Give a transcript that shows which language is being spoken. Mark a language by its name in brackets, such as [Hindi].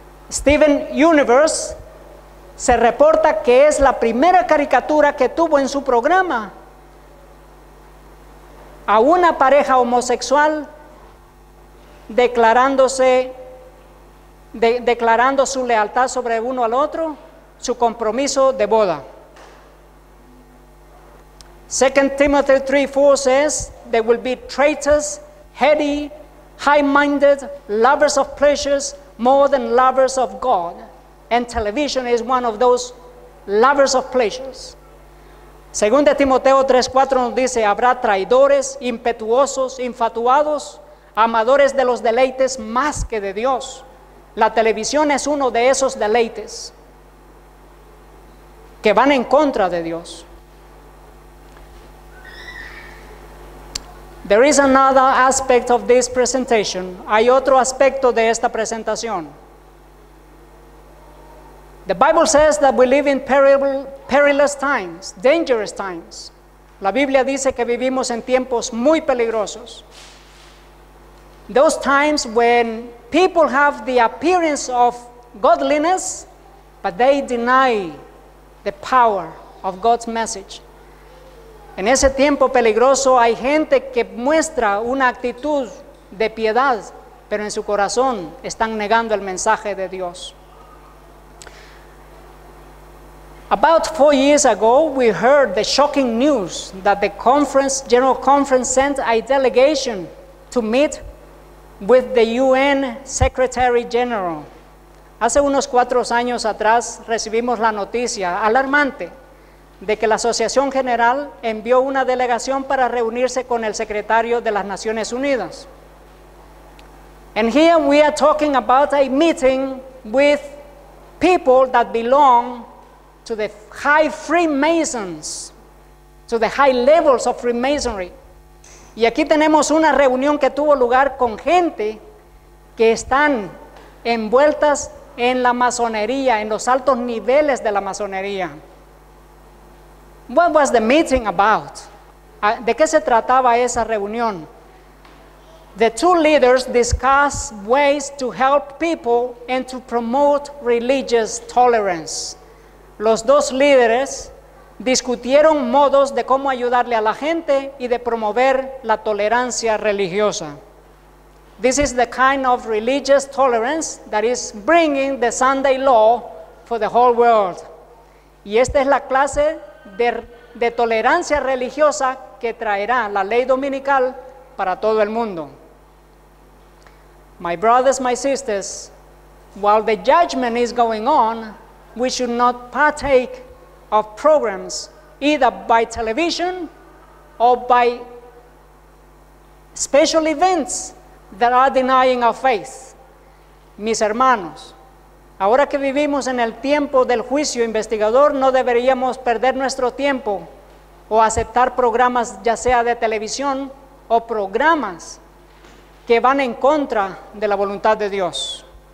[Spanish] Steven Universe se reporta que es la primera caricatura que tuvo en su programa a una pareja homosexual declarando su lealtad sobre uno al otro, su compromiso de boda. [English] 2 Timothy 3:4 says, there will be traitors, heady, high-minded, lovers of pleasures, more than lovers of God. And television is one of those lovers of pleasures. [Spanish] 2 Timoteo 3:4 nos dice, habrá traidores, impetuosos, infatuados, amadores de los deleites más que de Dios. La televisión es uno de esos deleites que van en contra de Dios. [English] There is another aspect of this presentation. [Spanish] Hay otro aspecto de esta presentación. [English] The Bible says that we live in perilous times, dangerous times. [Spanish] La Biblia dice que vivimos en tiempos muy peligrosos. [English] Those times when people have the appearance of godliness, but they deny the power of God's message. [Spanish] En ese tiempo peligroso hay gente que muestra una actitud de piedad, pero en su corazón están negando el mensaje de Dios. [English] About 4 years ago, we heard the shocking news that the conference, General Conference, sent a delegation to meet with the UN Secretary General. [Spanish] Hace unos 4 años atrás recibimos la noticia alarmante de que la Asociación General envió una delegación para reunirse con el Secretario de las Naciones Unidas. [English] And here we are talking about a meeting with people that belong to the high Freemasons, to the high levels of Freemasonry. [Spanish] Y aquí tenemos una reunión que tuvo lugar con gente que están envueltas en la masonería, en los altos niveles de la masonería. [English] What was the meeting about? [Spanish] ¿De qué se trataba esa reunión? [English] The two leaders discussed ways to help people and to promote religious tolerance. [Spanish] Los dos líderes discutieron modos de cómo ayudarle a la gente y de promover la tolerancia religiosa. [English] This is the kind of religious tolerance that is bringing the Sunday law for the whole world. [Spanish] Y esta es la clase de tolerancia religiosa que traerá la ley dominical para todo el mundo. [English] My brothers, my sisters, while the judgment is going on, we should not partake of programs either by television or by special events that are denying our faith. [Spanish] Mis hermanos, ahora que vivimos en el tiempo del juicio investigador, no deberíamos perder nuestro tiempo o aceptar programas, ya sea de televisión o programas que van en contra de la voluntad de Dios.